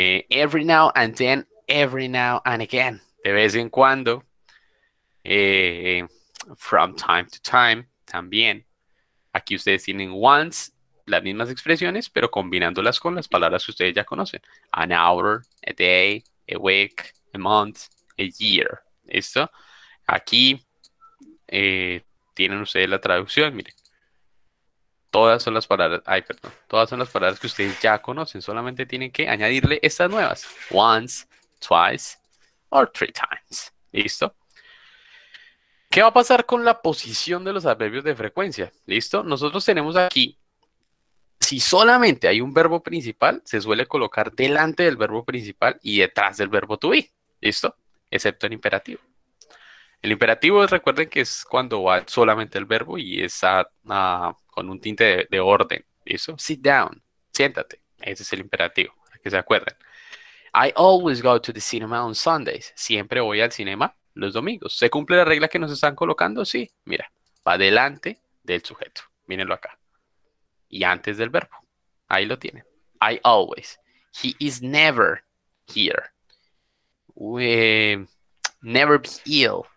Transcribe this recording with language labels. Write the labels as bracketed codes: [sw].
[en] Every now and then, every now and again, [es] de vez en cuando, [en] from time to time, también. [es] Aquí ustedes tienen once, las mismas expresiones, pero combinándolas con las palabras que ustedes ya conocen. [en] An hour, a day, a week, a month, a year. [es] ¿Listo? Aquí tienen ustedes la traducción, miren. Todas son las palabras, ay, perdón, todas son las palabras que ustedes ya conocen, solamente tienen que añadirle estas nuevas. [en] Once, twice, or three times. [es] ¿Listo? ¿Qué va a pasar con la posición de los adverbios de frecuencia? ¿Listo? Nosotros tenemos aquí, si solamente hay un verbo principal, se suele colocar delante del verbo principal y detrás del verbo to be. ¿Listo? Excepto en imperativo. El imperativo es, recuerden que es cuando va solamente el verbo y está con un tinte de orden. ¿Listo? [en] Sit down. [es] Siéntate. Ese es el imperativo. Que se acuerden. [en] I always go to the cinema on Sundays. [es] Siempre voy al cinema los domingos. ¿Se cumple la regla que nos están colocando? Sí. Mira, va delante del sujeto. Mírenlo acá. Y antes del verbo. Ahí lo tienen. I always. [en] He is never here. Never be ill.